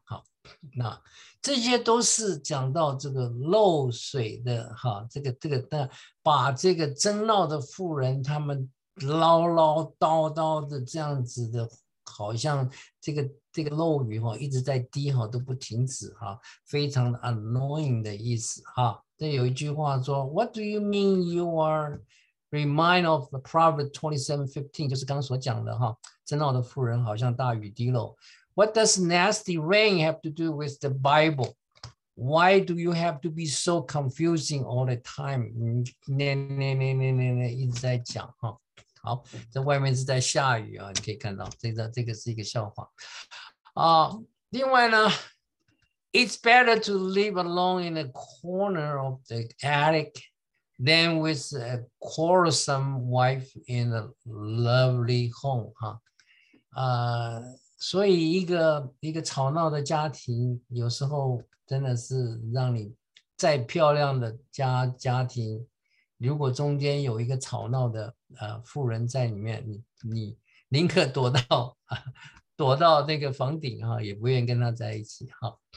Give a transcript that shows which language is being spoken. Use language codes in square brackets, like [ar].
[zh] 好，那这些都是讲到这个漏水的哈，这个的，把这个争闹的妇人，他们唠唠叨叨的这样子的，好像这个漏雨哈一直在滴哈都不停止哈，非常的 annoying 的意思哈。这有一句话说 [en] ，What do you mean you are remind of the Proverbs 27:15？ [zh] 就是刚所讲的哈，争闹的妇人好像大雨滴漏。 [en] What does nasty rain have to do with the Bible? Why do you have to be so confusing all the time？ [zh] 一直在讲哈。好，在外面是在下雨啊，你可以看到这个是一个笑话啊。另外呢。 [en] It's better to live alone in a corner of the attic than with a quarrelsome wife in a lovely home. [zh] 哈，所以一个吵闹的家庭，有时候真的是让你再漂亮的家庭，如果中间有一个吵闹的妇人在里面，你宁可躲到那个房顶哈，也不愿意跟他在一起哈。